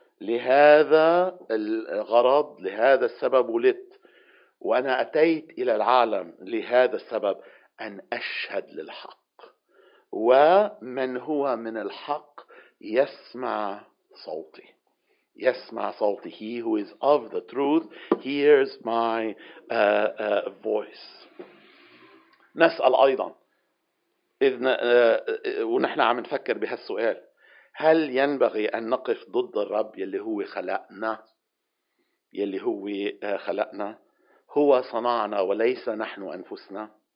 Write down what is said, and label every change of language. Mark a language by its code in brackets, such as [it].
[ar] لهذا الغرض، لهذا السبب ولدت، وأنا أتيت إلى العالم لهذا السبب، أن أشهد للحق، ومن هو من الحق يسمع صوتي. يسمع صوتي. [en] He who is of the truth hears my voice. [ar] نسأل أيضا إذ ونحن عم نفكر بهالسؤال، هل ينبغي أن نقف ضد الرب يلي هو خلقنا؟ يلي هو خلقنا، هو صنعنا وليس نحن أنفسنا.